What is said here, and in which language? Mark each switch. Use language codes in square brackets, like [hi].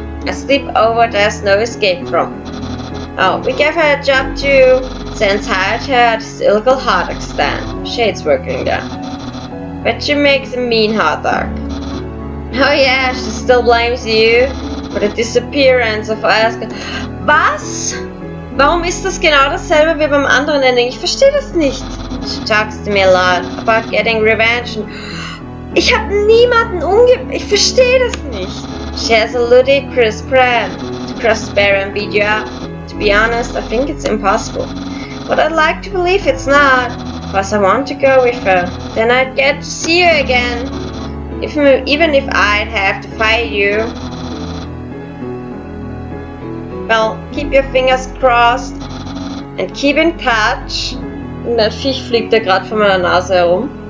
[en] A sleepover there's no escape from. Oh, we gave her a job too. Sans hired her at this illegal hot dog stand. Shade's working there. But she makes a mean hot dog. Oh yeah, she still blames you for the disappearance of Asgard. [de] Was? Warum ist das genau dasselbe wie beim anderen Ending? Ich verstehe das nicht. [en] She talks to me a lot about getting revenge and... [de] Ich hab niemanden ich verstehe das nicht. [en] She has a ludicrous plan to cross the barrier and beat you up. To be honest, I think it's impossible. But I'd like to believe it's not. Because I want to go with her. Then I'd get to see you again. Even if I'd have to fight you. Well, keep your fingers crossed and keep in touch. [de] Und der Viech fliegt ja gerade von meiner Nase herum.